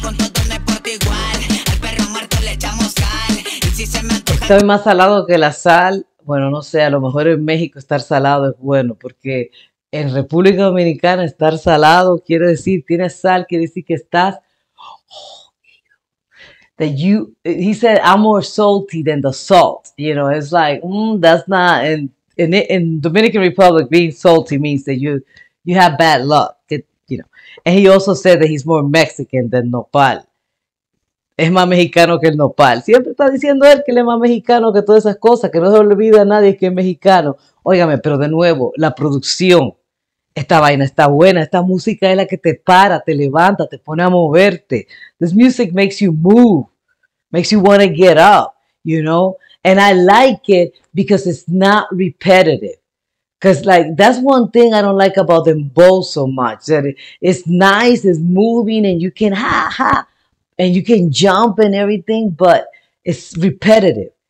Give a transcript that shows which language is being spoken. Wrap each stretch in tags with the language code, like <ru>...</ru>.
<es>Con todo me porto igual, al perro muerto le echamos cal. Y si se me antoja... Estoy más salado que la sal. Bueno, no sé, a lo mejor en México estar salado es bueno, porque en República Dominicana estar salado quiere decir, tienes sal, quiere decir que estás...</es> <en>he said, I'm more salty than the salt. You know, it's like, that's not, in Dominican Republic, being salty means that you have bad luck. And he also said that he's more Mexican than nopal.</en> <es>Es más mexicano que el nopal. Siempre está diciendo él que él es más mexicano que todas esas cosas, que no se olvida a nadie que es mexicano. Óigame, pero de nuevo, la producción, esta vaina está buena, esta música es la que te para, te levanta, te pone a moverte.</es> <en>This music makes you move, makes you want to get up, you know? And I like it because it's not repetitive. Because, like, that's one thing I don't like about them both so much. That it's nice, it's moving, and you can ha-ha, and you can jump and everything, but it's repetitive.</en>